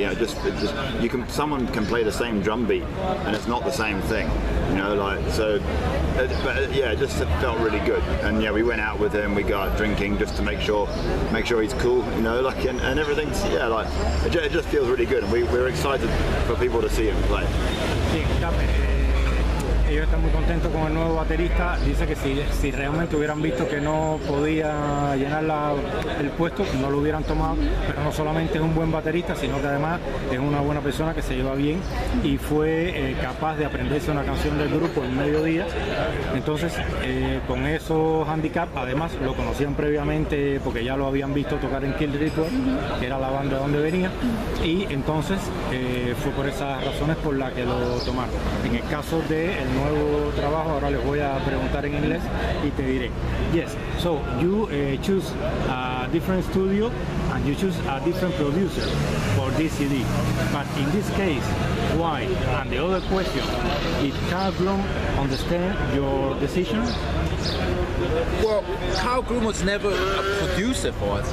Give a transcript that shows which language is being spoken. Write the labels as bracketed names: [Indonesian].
[English] Yeah, just you can, someone can play the same drum beat and it's not the same thing, you know, like, so. But yeah, it just felt really good. And yeah, we went out with him, we got drinking just to make sure he's cool, you know, like, and everything's, yeah, like, it just feels really good. And we're excited for people to see him play. [Spanish] Ellos están muy contentos con el nuevo baterista. Dice que si realmente hubieran visto que no podía llenar el puesto, no lo hubieran tomado. Pero no solamente es un buen baterista, sino que además es una buena persona que se lleva bien y fue capaz de aprenderse una canción del grupo en medio día. Entonces, con esos handicaps, además lo conocían previamente porque ya lo habían visto tocar en Kill Ritual, que era la banda donde venía. Y entonces fue por esas razones por las que lo tomaron. En el caso de el nuevo trabajo, ahora les voy a preguntar en inglés y te diré. [English] Yes, so you choose a different studio and you choose a different producer for this CD. But in this case, why? And the other question, did Carl Groom understand your decision? Well, Carl Groom was never a producer for us.